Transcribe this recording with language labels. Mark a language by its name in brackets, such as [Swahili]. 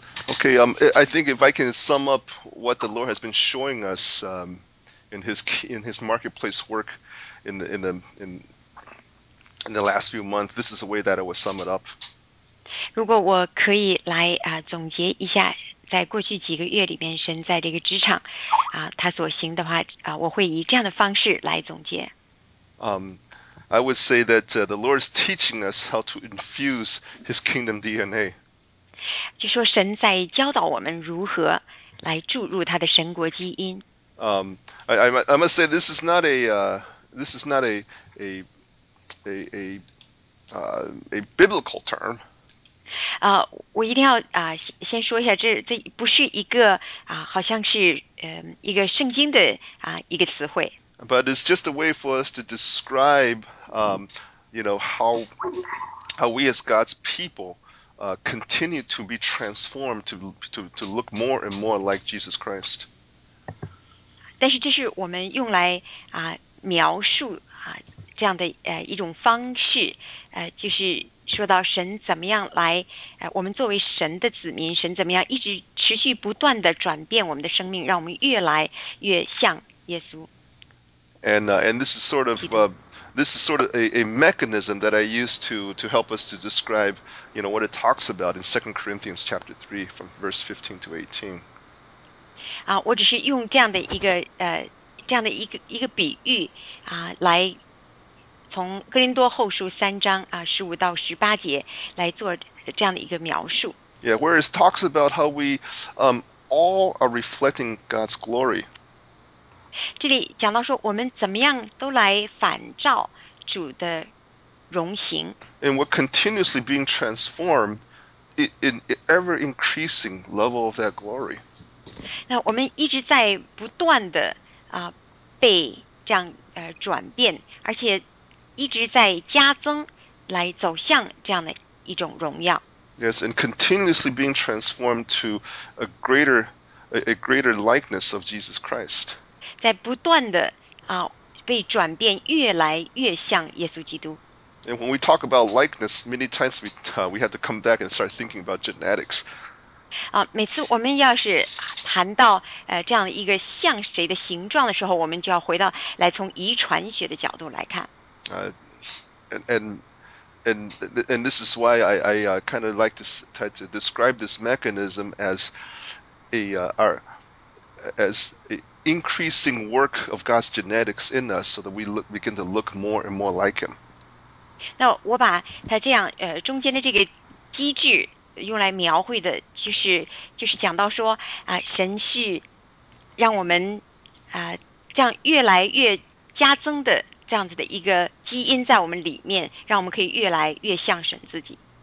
[English] Okay, I think if I can sum up what the Lord has been showing us in his marketplace work in the last few months, this is the way that I would sum it up. [Chinese] 如果我可以来总结一下，在过去几个月里面，神在这个职场他所行的话我会以这样的方式来总结。 [English] I would say that the Lord is teaching us how to infuse His kingdom DNA. [Chinese] 就说神在教导我们如何来注入他的神国基因。 [English] I must say this is not a biblical term. [Chinese] 我一定要先说一下，这不是一个好像是一个圣经的一个词汇。 [English] But it's just a way for us to describe, how we as God's people continue to be transformed to look more and more like Jesus Christ. [Chinese] 但是这是我们用来描述这样的一种方式，就是说到神怎么样来我们作为神的子民，神怎么样一直持续不断的转变我们的生命，让我们越来越像耶稣。 [English] And this is sort of a mechanism that I use to help us to describe, you know, what it talks about in 2 Corinthians chapter 3 from verse 15 to 18. [Chinese] 我只是用这样的一个比喻来从哥林多后书三章15到18节来做这样的一个描述。 [English] Yeah, where it talks about how we all are reflecting God's glory. [Chinese] 这里讲到说我们怎么样都来反照主的荣形。 [English] And we're continuously being transformed in ever increasing level of that glory. [Chinese] 那我们一直在不断的被这样转变，而且一直在加增来走向这样的一种荣耀。 [English] Yes, and continuously being transformed to a greater likeness of Jesus Christ. [Chinese] 在不断的被转变，越来越像耶稣基督。 [English] And when we talk about likeness, many times we have to come back and start thinking about genetics. [Chinese] 每次我们要是谈到这样一个像谁的形状的时候，我们就要回到来从遗传学的角度来看。 [English] And this is why I kind of like to try to describe this mechanism as a increasing work of God's genetics in us so that we begin to look more and more like Him. [Chinese] 那我把它这样中间的这个机制用来描绘的就是讲到说神是让我们这样越来越加增的这样子的一个基因在我们里面，让我们可以越来越像神自己。